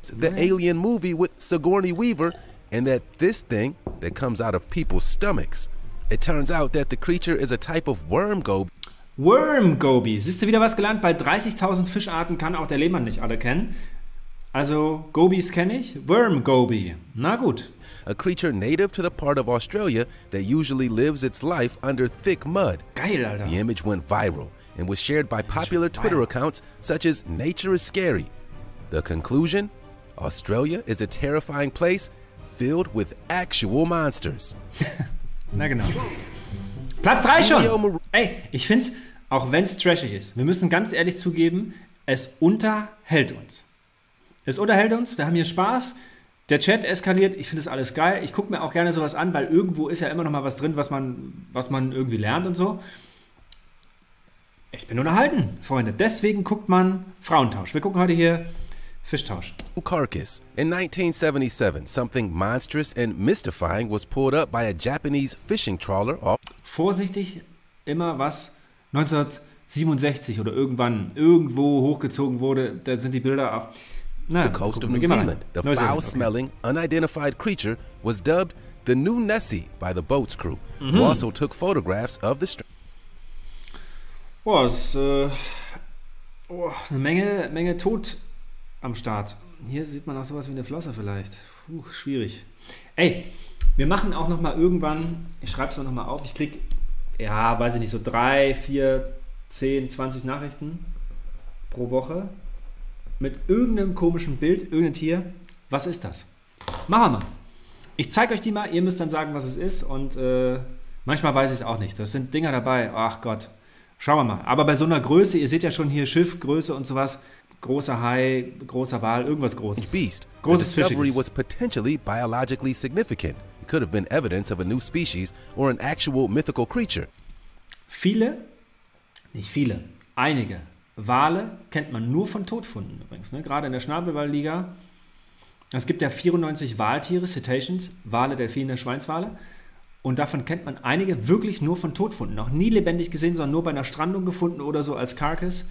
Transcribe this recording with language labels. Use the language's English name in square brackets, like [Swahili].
[English] The Alien movie with Sigourney Weaver and that this thing that comes out of people's stomachs. It turns out that the creature is a type of worm goby. [German] Worm goby. Siehst du wieder was gelernt? Bei 30.000 Fischarten kann auch der Lehmann nicht alle kennen. Also, Gobies kenne ich. Worm Goby. Na gut. [English] A creature native to the part of Australia that usually lives its life under thick mud. [German] Geil, Alter. [English] The image went viral and was shared by popular Twitter accounts such as Nature is Scary. The conclusion? Australia is a terrifying place filled with actual monsters. [German] Na genau. Platz 3 schon. Ey, ich find's, auch wenn's trashig ist, wir müssen ganz ehrlich zugeben, es unterhält uns. Es unterhält uns, wir haben hier Spaß, der Chat eskaliert, ich finde es alles geil. Ich gucke mir auch gerne sowas an, weil irgendwo ist ja immer noch mal was drin, was man irgendwie lernt und so. Ich bin unterhalten, Freunde. Deswegen guckt man Frauentausch. Wir gucken heute hier Fischtausch. [English] Carcass. In 1977, something monstrous and mystifying was pulled up by a Japanese fishing trawler. [German] Vorsichtig, immer was 1967 oder irgendwann irgendwo hochgezogen wurde, da sind die Bilder auch... [English] The coast of New Zealand, the foul-smelling, unidentified creature was dubbed the new Nessie by the boat's crew, who also took photographs of the stranger. [German] Eine Menge Tod am Start. Hier sieht man auch sowas wie eine Flosse vielleicht. Puh, schwierig. Ey, wir machen auch noch mal irgendwann, ich schreibe es auch noch mal auf, ich krieg, ja, weiß ich nicht, so 3, 4, 10, 20 Nachrichten pro Woche. Mit irgendeinem komischen Bild, irgendein Tier. Was ist das? Machen wir mal. Ich zeige euch die mal. Ihr müsst dann sagen, was es ist. Und manchmal weiß ich es auch nicht. Das sind Dinger dabei. Ach Gott. Schauen wir mal. Aber bei so einer Größe, ihr seht ja schon hier Schiffgröße und sowas. großer Hai, großer Wal, irgendwas Großes. Beast. Großes Fischiges. [English] The discovery was potentially biologically significant. It could have been evidence of a new species or an actual mythical creature. [German] Viele, nicht viele, einige Wale kennt man nur von Todfunden übrigens. Ne? Gerade in der Schnabelwal-Liga. Es gibt ja 94 Waltiere, Cetaceans, Wale, Delfine, Schweinswale. Und davon kennt man einige wirklich nur von Todfunden. Noch nie lebendig gesehen, sondern nur bei einer Strandung gefunden oder so als Carcass.